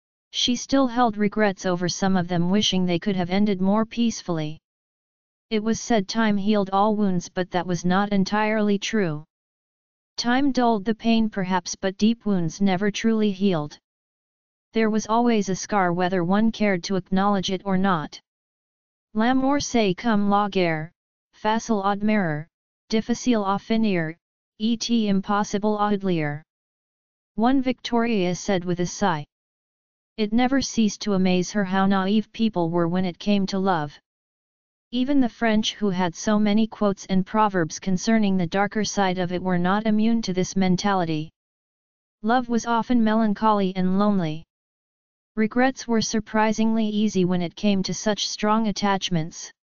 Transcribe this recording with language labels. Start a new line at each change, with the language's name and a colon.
English: She still held regrets over some of them, wishing they could have ended more peacefully. It was said time healed all wounds, but that was not entirely true. Time dulled the pain perhaps, but deep wounds never truly healed. There was always a scar, whether one cared to acknowledge it or not.
French: L'amour c'est comme la guerre, facile à admirer, difficile à finir, et impossible à oublier.
English: One, Victoria said with a sigh. It never ceased to amaze her how naive people were when it came to love. Even the French, who had so many quotes and proverbs concerning the darker side of it, were not immune to this mentality. Love was often melancholy and lonely. Regrets were surprisingly easy when it came to such strong attachments.